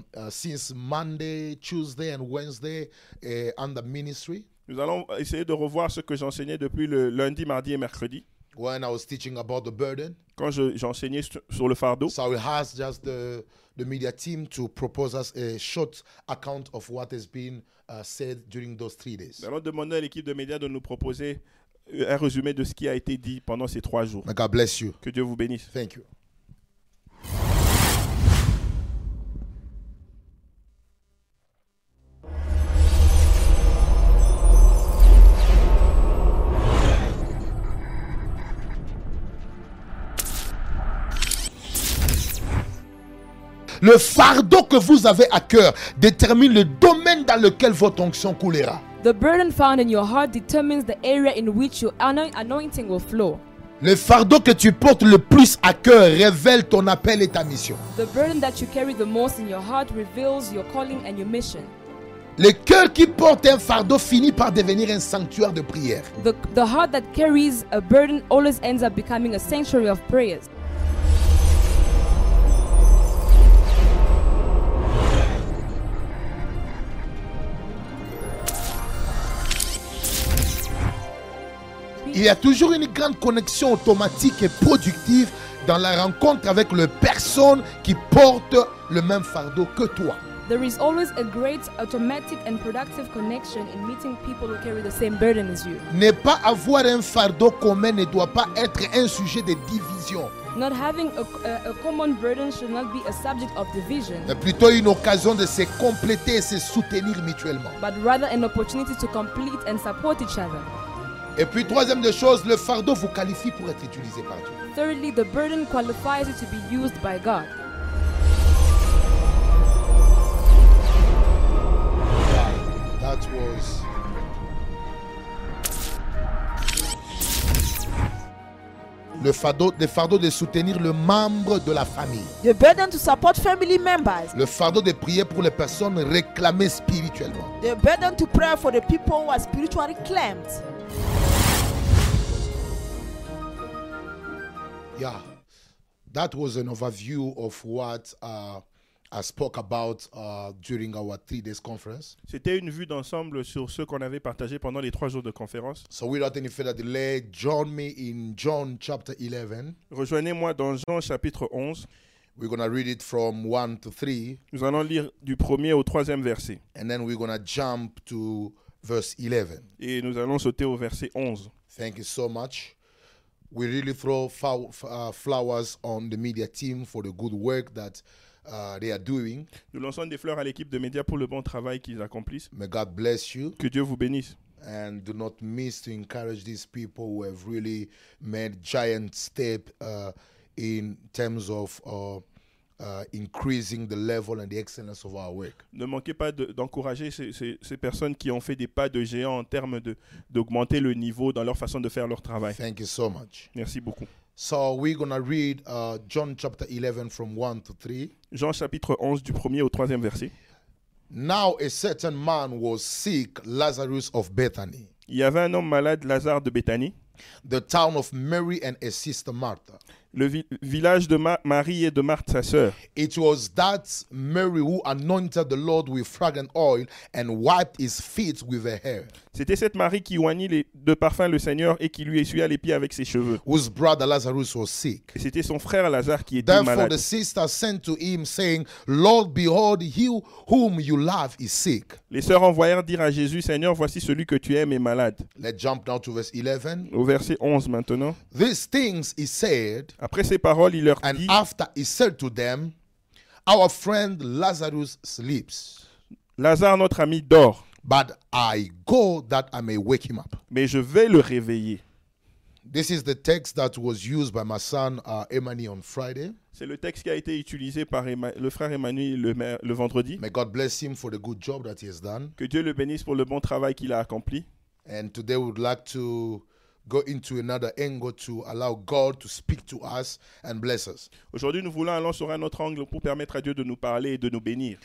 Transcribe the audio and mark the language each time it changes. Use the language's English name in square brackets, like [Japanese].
[English] Since Monday, Tuesday, and Wednesday, under ministry. [French] Nous allons essayer de revoir ce que j'enseignais depuis le lundi, mardi et mercredi. [English] When I was teaching about the burden. [French] Quand j'enseignais sur le fardeau. [English] So I asked just the media team to propose us a short account of what has been said during those 3 days. [French] Nous allons demander à l'équipe de médias de nous proposer un résumé de ce qui a été dit pendant ces 3 jours. [English] May God bless you. [French] Que Dieu vous bénisse. [English] Thank you. [French] Le fardeau que vous avez à cœur détermine le domaine dans lequel votre onction coulera. [English] The burden found in your heart determines the area in which your anointing will flow. [French] Le fardeau que tu portes le plus à cœur révèle ton appel et ta mission. [English] The burden that you carry the most in your heart reveals your calling and your mission. [French] Le cœur qui porte un fardeau finit par devenir un sanctuaire de prière. [English] The heart that carries a burden always ends up becoming a sanctuary of prayers. [French] Il y a toujours une grande connexion automatique et productive dans la rencontre avec les personnes qui portent le même fardeau que toi. [English] There is always a great automatic and productive connection in meeting people who carry the same burden as you. [French] Ne pas avoir un fardeau commun ne doit pas être un sujet de division. [English] Not having a common burden should not be a subject of division. [French] Mais plutôt une occasion de se compléter et se soutenir mutuellement. [English] But rather an opportunity to complete and support each other. [French] Et puis troisième des choses, le fardeau vous qualifie pour être utilisé par Dieu. [English] Thirdly, the burden qualifies you to be used by God. That was. [French] Le fardeau de soutenir le membre de la famille. [English] The burden to support family members. [French] Le fardeau de prier pour les personnes réclamées spirituellement. [English] The burden to pray for the people who are spiritually claimed. Yeah, that was an overview of what I spoke about during our 3 days conference. [French] C'était une vue d'ensemble sur ce qu'on avait partagé pendant les 3 jours de conférence. [English] So without any further delay, join me in John chapter 11. [French] Rejoignez-moi dans Jean chapitre 11. [English] We're gonna read it from 1 to 3. [French] Nous allons lire du premier au troisième verset. [English] And then we're gonna jump to verse 11. [French] Et nous allons sauter au verset 11. [English] Thank you so much. We really throw flowers on the media team for the good work that they are doing. [French] Nous lançons des fleurs à l'équipe de médias pour le bon travail qu'ils accomplissent. [English] May God bless you. [French] Que Dieu vous bénisse. [English] And do not miss to encourage these people who have really made giant step in terms of increasing the level and the excellence of our work. [French] Ne manquez pas d'encourager ces personnes qui ont fait des pas de géant en termes d'augmenter le niveau dans leur façon de faire leur travail. [English] Thank you so much. [French] Merci beaucoup. [English] So we're gonna read John chapter 11 from 1 to 3. [French] Jean chapitre 11 du 1er au 3e verset. [English] Now a certain man was sick, Lazarus of Bethany. [French] Il y avait un homme malade, Lazare de Bethany. [English] The town of Mary and his sister Martha. [French] Le village de Marie et de Marthe, sa sœur. [English] It was that Mary who anointed the Lord with fragrant oil and wiped his feet with her hair. [French] C'était cette Marie qui oignit de parfum le Seigneur et qui lui essuya les pieds avec ses cheveux. [English] Whose brother Lazarus was sick. [French] Et c'était son frère Lazare qui était [English] Therefore, [French] malade. [English] Therefore the sister sent to him saying, Lord, behold, he whom you love is sick. [French] Les sœurs envoyèrent dire à Jésus, Seigneur, voici celui que tu aimes est malade. [English] Let's jump now to verse 11. [French] Au verset 11 maintenant. [English] These things he said. [French] Après ces paroles, il leur dit, [English] and after he said to them, our friend Lazarus sleeps. [French] Lazare, notre ami, dort. [English] But I go that I may wake him up. [French] Mais je vais le réveiller. [English] This is the text that was used by my son Emmanuel on Friday. [French] C'est le texte qui a été utilisé par le frère Emmanuel le vendredi. [English] May God bless him for the good job that he has done. [French] Que Dieu le bénisse pour le bon travail qu'il a accompli. [English] And today we'd like to go into another angle to allow God to speak to us and bless us. [French] Aujourd'hui, nous voulons aller sur un autre angle pour permettre à Dieu de nous parler et de nous bénir.